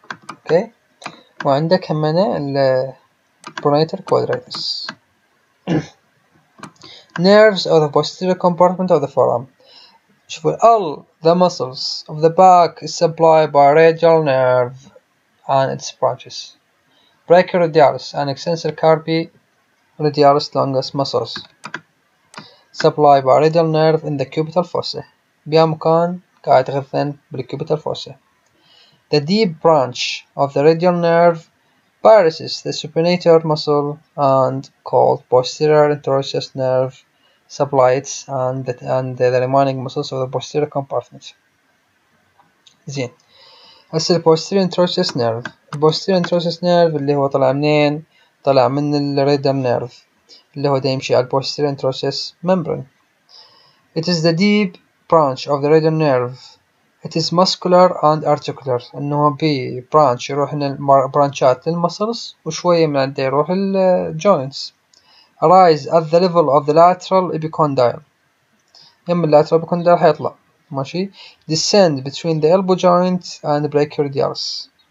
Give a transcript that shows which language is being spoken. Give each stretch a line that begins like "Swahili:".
Arabic: اوكي وعندك همينة
English: ال pronator quadratus nerves of the posterior compartment of the forearm
Arabic: شوفوا
English: all the muscles of the back is supplied by radial nerve and its branches. Brachioradialis and extensor carpi radialis longus muscles. Supply by radial nerve in the cubital fossa.
Arabic: بها مكان قاعد يتغذن بالcubital fossa.
English: The deep branch of the radial nerve pierces the supinator muscle and called posterior interosseous nerve supplies and the remaining muscles of the posterior compartment.
Arabic: زين هسه posterior interosseous nerve. Posterior interosseous nerve اللي هو طلع منين؟ طلع من radial nerve اللي هو ده يمشي على posterior interosseous membrane.
English: It is the deep branch of the radial nerve. It is muscular and articular.
Arabic: إنه بي branch يروح من البرانشات للمسلس وشوية من عنده يروح الجوينتس.
English: Arise at the level of the lateral epicondyle.
Arabic: يم اللاترال epicondyle حيطلع. ماشي.
English: Descend between the elbow joint and the brachioradialis.